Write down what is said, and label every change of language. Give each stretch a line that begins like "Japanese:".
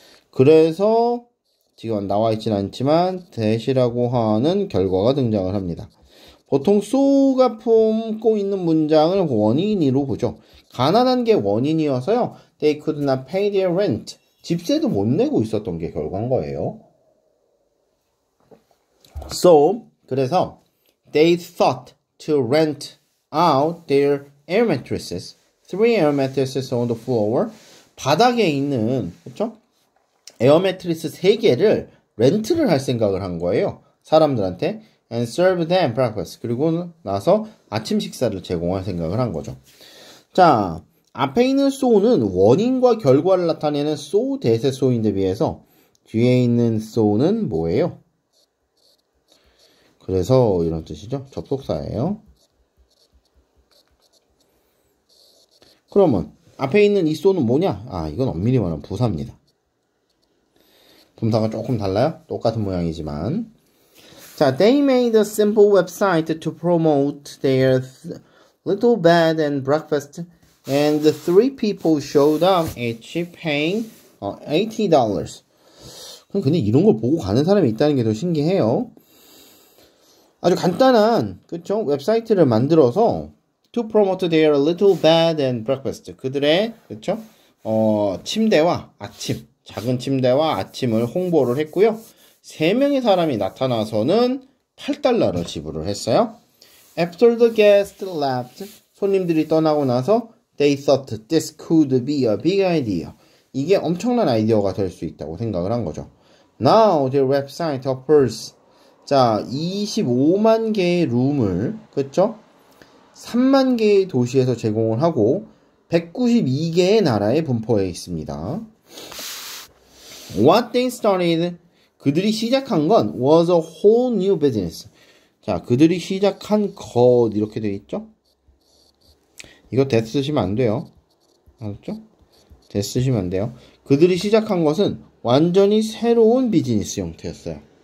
Korean: 그래서 지금 나와 있진 않지만 대시라고 하는 결과가 등장을 합니다. 보통 so가 품고 있는 문장을 원인으로 보죠. 가난한 게 원인이어서요.
English: They could not pay their rent.
Korean: 집세도 못 내고 있었던 게 결과인 거예요.
English: So,
Korean: 그래서
English: they thought to rent out their air mattresses. Three air mattresses on the floor.
Korean: 바닥에 있는, 그렇죠? 에어매트리스 3개를 렌트를 할 생각을 한 거예요. 사람들한테.
English: And serve them breakfast.
Korean: 그리고 나서 아침 식사를 제공할 생각을 한 거죠. 자, 앞에 있는 so는 원인과 결과를 나타내는 so 대세 so인데 비해서 뒤에 있는 so는 뭐예요? 그래서 이런 뜻이죠. 접속사예요. 그러면 앞에 있는 이 so는 뭐냐? 아, 이건 엄밀히 말하면 부사입니다. 분사가 조금 달라요? 똑같은 모양이지만.
English: 자, they made a simple website to promote their little bed and breakfast, and three people showed up each paying $80.
Korean: 근데 이런 걸 보고 가는 사람이 있다는 게더 신기해요. 아주 간단한, 그쵸? 웹사이트를 만들어서
English: to promote their little bed and breakfast.
Korean: 그들의, 그쵸? 침대와 아침. 작은 침대와 아침을 홍보를 했고요. 세 명의 사람이 나타나서는 8달러를 지불을 했어요.
English: After the guests left,
Korean: 손님들이 떠나고 나서
English: they thought this could be a big idea.
Korean: 이게 엄청난 아이디어가 될수 있다고 생각을 한 거죠.
English: Now their website offers.
Korean: 자, 25만 개의 룸을, 그쵸? 3만 개의 도시에서 제공을 하고 192개의 나라에 분포해 있습니다.
English: What they started,
Korean: 그들이 시작한 건
English: was a whole new business.
Korean: 자, 그들이 시작한 것 이렇게 되어 있죠? 이거 death 쓰시면 안 돼요. 알았죠? death 쓰시면 안 돼요. 그들이 시작한 것은 완전히 새로운 비즈니스 형태였어요.